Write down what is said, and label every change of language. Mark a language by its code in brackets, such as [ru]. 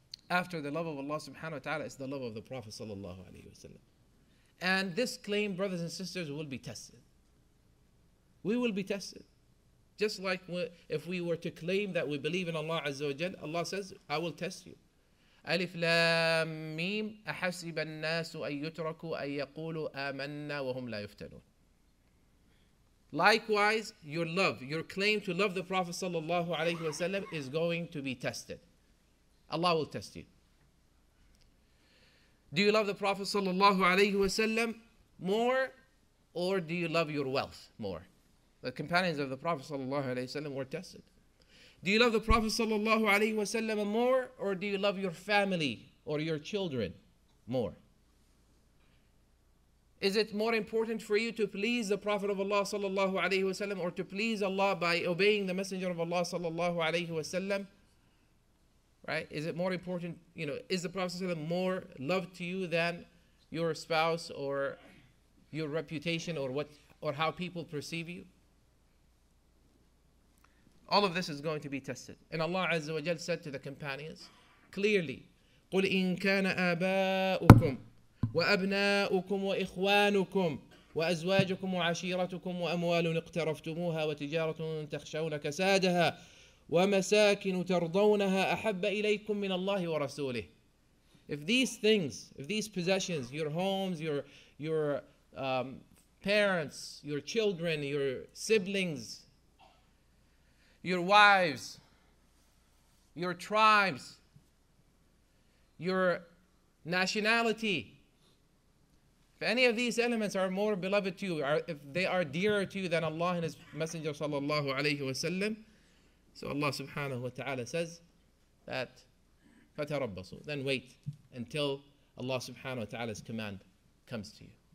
[en] After the love of Allah subhanahu wa ta'ala, it's the love of the Prophet ﷺ. And this claim, brothers and sisters, will be tested. We will be tested. Just like if we were to claim that we believe in Allah Azza wa Jal, Allah says, I will test you. [ar] Alif Lam Mim, أَحَسِبَ النَّاسُ أَن يُتْرَكُوا أَن يَقُولُوا آمَنَّا وَهُمْ لَا يُفْتَنُونَ. [en] Likewise, your love, your claim to love the Prophet sallallahu alayhi wa sallam is going to be tested. Allah will test you. Do you love the Prophet sallallahu alayhi wa sallam more, or do you love your wealth more? The companions of the Prophet sallallahu alayhi wa sallam were tested. Do you love the Prophet sallallahu alayhi wa sallam more, or do you love your family or your children more? Is it more important for you to please the Prophet of Allah sallallahu alayhi wa sallam, or to please Allah by obeying the Messenger of Allah sallallahu alayhi wa sallam? Right? Is it more important, is the Prophet sallallahu alayhi wa sallam more loved to you than your spouse or your reputation or how people perceive you? All of this is going to be tested. And Allah Azza wa Jal said to the companions, clearly, [ar] قُلْ إِن كَانَ آبَاؤُكُمْ وَأَبْنَاؤُكُمْ وَإِخْوَانُكُمْ وَأَزْوَاجُكُمْ وَعَشِيرَتُكُمْ وَأَمْوَالٌ اقْتَرَفْتُمُوهَا وَتِجَارَةٌ تَخْشَوْنَ كَسَادَهَا وَمَسَاكِنُ تَرْضَوْنَهَا أَحَبَّ إِلَيْكُمْ مِنَ اللَّهِ وَرَسُولِهِ. [en] If these things, if these possessions, your homes, your parents, your children, your siblings, your wives, your tribes, your nationality. If any of these elements are more beloved to you, if they are dearer to you than Allah and His Messenger sallallahu alayhi wa sallam, so Allah subhanahu wa ta'ala says that فَتَرَبَّصُوا, then wait until Allah subhanahu wa ta'ala's command comes to you.